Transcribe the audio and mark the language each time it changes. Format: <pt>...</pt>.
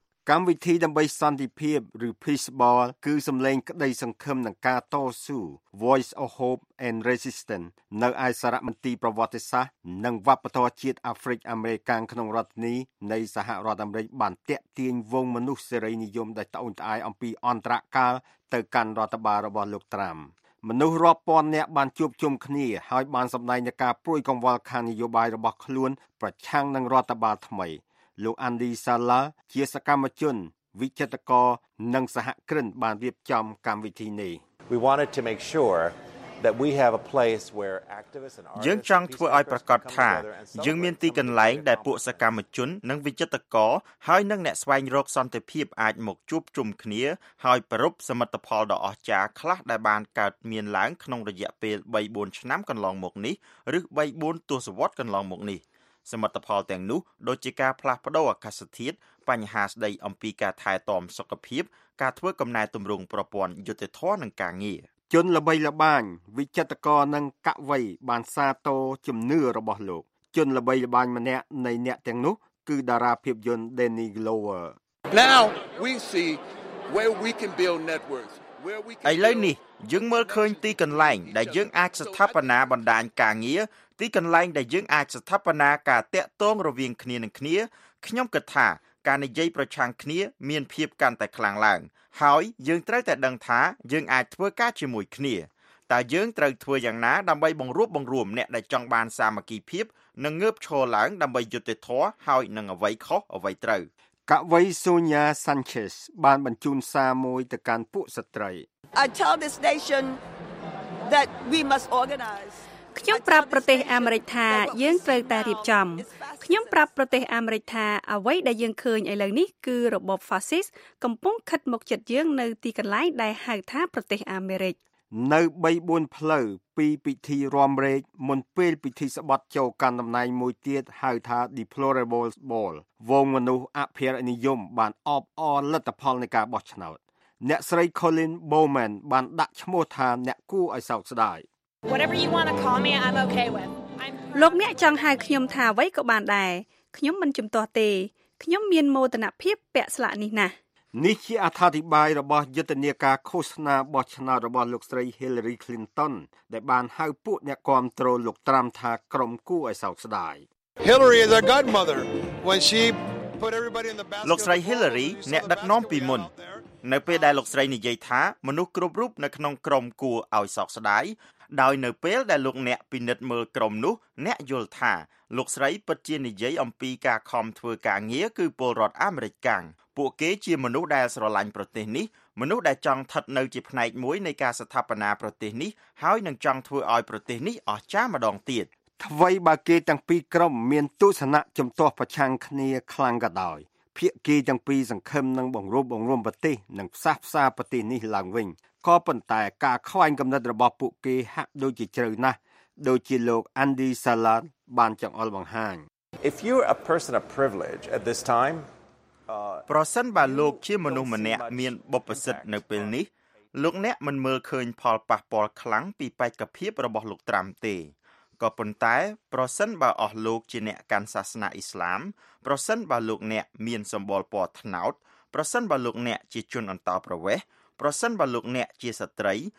<km>កម្មវិធីដើម្បីសន្តិភាពឬ Peace Ball គឺសំឡេងក្តីសង្ឃឹមនិងការតស៊ូ Voice of Hope and Resistance នៅឯសារមន្ទីរប្រវត្តិសាស្ត្រនិងវប្បធម៌ជាតិអាហ្វ្រិកអាមេរិកក្នុងរដ្ឋនេះនៃសហរដ្ឋអាមេរិកបានទាក់ទាញវងមនុស្សសេរីនិយមដែលត្អូញត្អែរអំពីអន្តរកាលទៅកាន់រដ្ឋបាលរបស់លោកត្រាំ មនុស្សរាប់ពាន់នាក់បានជួបជុំគ្នាហើយបានសម្ដែងនូវការព្រួយកង្វល់ខាងនយោបាយរបស់ខ្លួនប្រឆាំងនឹងរដ្ឋបាលថ្មីលោក Andy Sala ជាសកម្មជនវិចិត្រករនិងសហគ្រិនបានរៀបចំកម្មវិធីនេះ</km> <en>We wanted to make sure that we have a place where activists and artists</en> <km>យើងចង់ធ្វើឲ្យប្រកាសថាយើងមានទីកន្លែងដែលពួកសកម្មជននិងវិចិត្រករហើយនិងអ្នកស្វែងរកសន្តិភាពអាចមកជួបជុំគ្នាហើយប្រពៃសមិទ្ធផលដ៏អស្ចារ្យខ្លះដែលបានកើតមានឡើងក្នុងរយៈពេល 3-4 ឆ្នាំកន្លងមកនេះឬ 3-4 ទសវត្សកន្លងមកនេះសមិទ្ធផលទាំងនោះដូចជាការផ្លាស់ប្តូរអាកាសធាតុបញ្ហាស្ដីអំពីការថែទាំសុខភាពការធ្វើកំណែទម្រង់ប្រព័ន្ធយុតិធម៌និងការងារ ជនល្បីល្បាញវិចិត្រករនិងកវីបានសាទរជំនឿរបស់លោកជនល្បីល្បាញម្នាក់នៃអ្នកទាំងនោះគឺតារាភាពយន្ត Danny Glover</km> <en>Now we see where we can build networks where we can</en> <km>ឥឡូវនេះយើងមើលឃើញទីកន្លែងដែលយើងអាចស្ថាបនាបណ្ដាញការងារទីកន្លែងដែលយើងអាចស្ថាបនាការតកតងរវាងគ្នានឹងគ្នាខ្ញុំគិតថាការនិយាយប្រឆាំងគ្នាមានភាពកាន់តែខ្លាំងឡើងហើយយើងត្រូវតែដឹងថាយើងអាចធ្វើការជាមួយគ្នាតើយើងត្រូវធ្វើយ៉ាងណាដើម្បីបង្រួបបង្រួមអ្នកដែលចង់បានសាមគ្គីភាពនិងងើបឈរឡើងដើម្បីយុត្តិធម៌ហើយនឹងអ្វីខុសអ្វីត្រូវ កវីសូញ៉ាសាន់ឆេសបានបញ្ជូនសារមួយទៅកាន់ពួកស្ត្រី</km> <en>I tell this nation that we must organize</en> <km>ខ្ញុំប្រាប់ប្រទេសអាមេរិកថាយើងត្រូវតែរៀបចំខ្ញុំប្រាប់ប្រទេសអាមេរិកថាអ្វីដែលយើងឃើញឥឡូវនេះគឺរបបហ្វាស៊ីសកំពុងខិតមកជិតយើងនៅទីកន្លែងដែលហៅថាប្រទេសអាមេរិក នៅ 3-4 ផ្លូវពីពិធីរំរែកមុនពេលពិធីសបត់ចូលកាន់តំណែងមួយទៀតហៅថា Deplorable Ball វងមនុស្សអភិរិយនិយមបានអបអរលទ្ធផលនៃការបោះឆ្នោតអ្នកស្រី Colin Bowman បានដាក់ឈ្មោះថាអ្នកគួរឲ្យសោកស្ដាយ</km> <en>Whatever you want to call me I'm okay with</en> <km>លោកអ្នកចង់ហៅខ្ញុំថាអ្វីក៏បានដែរខ្ញុំមិនជំទាស់ទេខ្ញុំមានមោទនភាពពាក់ស្លាកនេះណាស់នេះជាអត្ថាធិប្បាយរបស់យុទ្ធនាការឃោសនាបោះឆ្នោតរបស់លោកស្រី Hillary Clinton ដែលបានហៅពួកអ្នកគាំទ្រលោកត្រាំថាក្រុមគូឲ្យសោកស្ដាយ</km> <en>Hillary is a godmother when she put everybody in the basket</en> <km>លោកស្រី Hillary អ្នកដឹកនាំពីមុននៅពេលដែលលោកស្រីនិយាយថាមនុស្សគ្រប់រូបនៅក្នុងក្រុមគូឲ្យសោកស្ដាយដោយនៅពេលដែលលោកអ្នកពិនិត្យមើលក្រុមនោះអ្នកយល់ថាលោកស្រីពិតជានិយាយអំពីការខំធ្វើការងារគឺពលរដ្ឋអាមេរិកកាំងពួកគេជាមនុស្សដែលស្រឡាញ់ប្រទេសនេះមនុស្សដែលចង់ថិតនៅជាផ្នែកមួយនៃការស្ថាបនាប្រទេសនេះហើយនឹងចង់ធ្វើឲ្យប្រទេសនេះអស្ចារ្យម្ដងទៀត ថ្មីបើគេទាំងពីរក្រុមមានទស្សនៈជំទាស់ប្រឆាំងគ្នាខ្លាំងក៏ដោយភាគីទាំងពីរសង្ឃឹមនឹងបង្រួមប្រទេសនិងផ្សះផ្សាប្រទេសនេះឡើងវិញក៏ប៉ុន្តែការខ្វែងគំនិតរបស់ពួកគេហាក់ដូចជាជ្រៅណាស់ដូចជាលោក Andy Salat បានចង្អុលបង្ហាញ</km> <en>If you are a person of privilege at this time</en> <km>ប្រសិនបើលោកជាមនុស្សម្នាក់មានបុព្វសិទ្ធិនៅពេលនេះលោកអ្នកមិនមើលឃើញផលប៉ះពាល់ខ្លាំងពីបេក្ខភាពរបស់លោកត្រាំទេក៏ប៉ុន្តែប្រសិនបើអស់លោកជាអ្នកកាន់សាសនាអ៊ីស្លាមប្រសិនបើលោកអ្នកមានសម្បល់ពណ៌ត្នោតប្រសិនបើលោកអ្នកជាជនអន្តោប្រវេសន៍ប្រសិនបើលោកអ្នកជាស្ត្រី</km>